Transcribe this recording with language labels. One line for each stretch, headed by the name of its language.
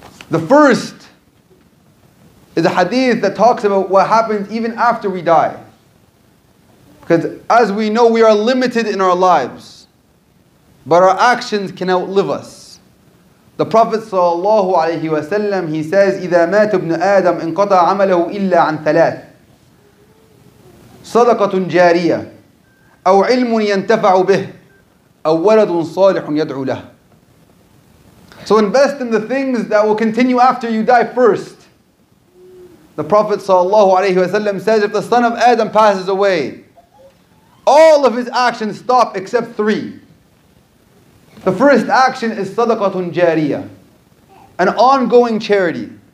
English: The first is a hadith that talks about what happens even after we die. Because as we know, we are limited in our lives. But our actions can outlive us. The Prophet sallallahu alayhi wa sallam, he says,
Arabic: إِذَا مَاتُ ابْنُ آدَمْ إِنْقَطَى عَمَلَهُ إِلَّا عَنْ ثَلَاثٍ صَدَقَةٌ جَارِيَةٌ أَوْ عِلْمٌ يَنْتَفَعُ بِهِ أَوْ وَلَدٌ صَالِحٌ يَدْعُو لَهُ.
English: So invest in the things that will continue after you die first. The Prophet sallallahu alayhi wa sallam says, if the son of Adam passes away, all of his actions stop except 3. The first action is sadaqatun jariya, an ongoing charity.